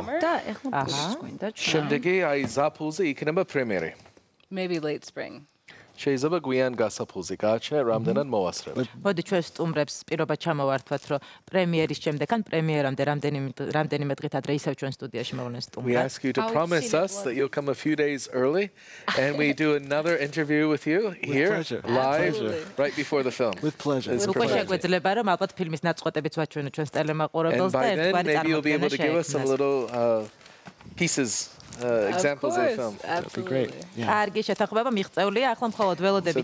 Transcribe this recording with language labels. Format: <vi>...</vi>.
<ka>და ეხლა გვინდა ჩვენ. შემდეგი აი ზაფულზე იქნება პრემიერი.</ka> <en>Maybe late spring.</en> <ka>შეიძლება გვიან გასაფხულზე გააჩნია რამდენად მოასწრებ. მოდი ჩვენ სტუმრებს პირობა ჩამოვართვათ, რომ პრემიერის შემდეგ ან პრემიერამდე რამდენიმე დღით ადრე ისევ ჩვენ სტუდიაში მოვლენ სტუმრებს.</ka> <en>We ask you to promise us that you'll come a few days early and we do another interview with you here live right before the film. With pleasure.</en> <ka>უკვე შეგვეძლება რომ ალბათ ფილმის ნაწყვეტებიც ვაჩვენოთ ჩვენს ტელემაყურებელს და ერთგვარი წარმოდგენა</ka> <en>And by then maybe you'll be able to give us some little pieces examples of film. That'd be great. Yeah.</en> <ka>Арги შეთანხმება მიღწეულია, ახლა მხოლოდ ველოდები</ka>